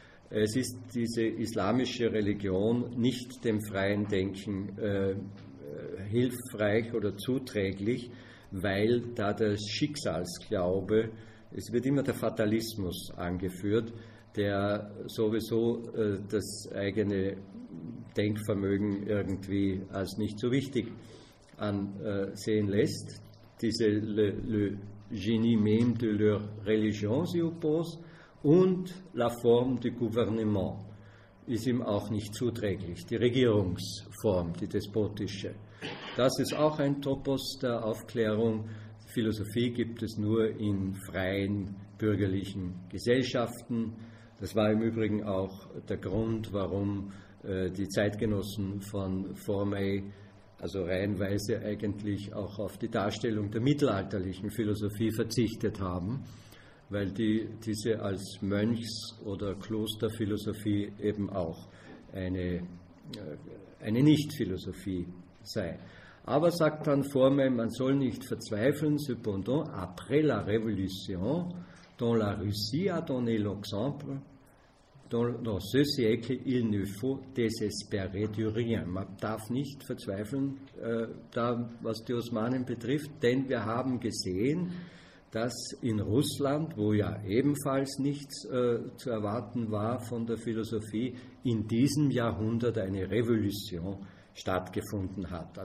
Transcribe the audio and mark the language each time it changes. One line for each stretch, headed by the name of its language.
German: Es ist diese islamische Religion nicht dem freien Denken hilfreich oder zuträglich, weil da der Schicksalsglaube, es wird immer der Fatalismus angeführt, der sowieso das eigene Denkvermögen irgendwie als nicht so wichtig ansehen lässt.
French: Diese le génie même de leur religion s'y oppose.
German: Und
French: la forme du gouvernement
German: ist ihm auch nicht zuträglich, die Regierungsform, die despotische. Das ist auch ein Topos der Aufklärung. Philosophie gibt es nur in freien bürgerlichen Gesellschaften. Das war im Übrigen auch der Grund, warum die Zeitgenossen von Formey, also reihenweise eigentlich auch auf die Darstellung der mittelalterlichen Philosophie verzichtet haben, weil diese als Mönchs- oder Klosterphilosophie eben auch eine Nicht-Philosophie sei. Aber sagt dann Formel, man soll nicht verzweifeln,
French: cependant, après la Révolution, dans la Russie a donné l'exemple, dans ce siècle, il ne faut désespérer de rien.
German: Man darf nicht verzweifeln, da, was die Osmanen betrifft, denn wir haben gesehen, dass in Russland, wo ja ebenfalls nichts zu erwarten war von der Philosophie, in diesem Jahrhundert eine Revolution stattgefunden hat.